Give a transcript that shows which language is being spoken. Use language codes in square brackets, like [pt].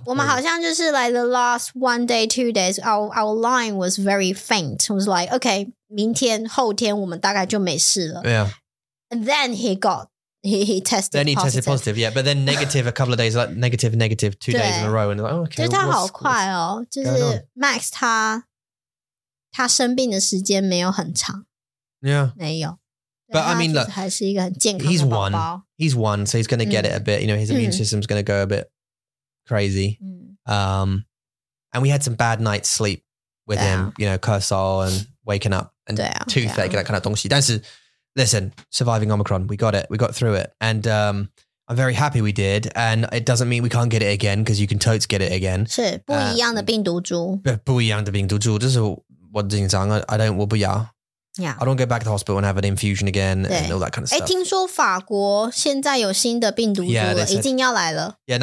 [en] 我们好像就是 like the last one day, 2 days, our line was very faint. It was like, okay, 明天后天我们大概就没事了. Yeah. And then he tested positive. Positive, yeah. But then negative a couple of days, like negative 2 days in a row. And like, okay, what's going on? [zh] 他生病的时间没有很长, [en] but I mean, look, he's one, so he's going to get it a bit. You know, his immune system's going to go a bit crazy. And we had some bad night's sleep with him. You know, cursor and waking up and toothache, that kind of 东西. 但是, listen, surviving Omicron, we got it, we got through it, and I'm very happy we did, and it doesn't mean we can't get it again because you can totes get it again. [zh] 是不一样的病毒株, [en] 就是 I don't go back to the hospital and have an infusion again and all that kind of stuff. [zh] 听说法国现在有新的病毒株了,已经要来了。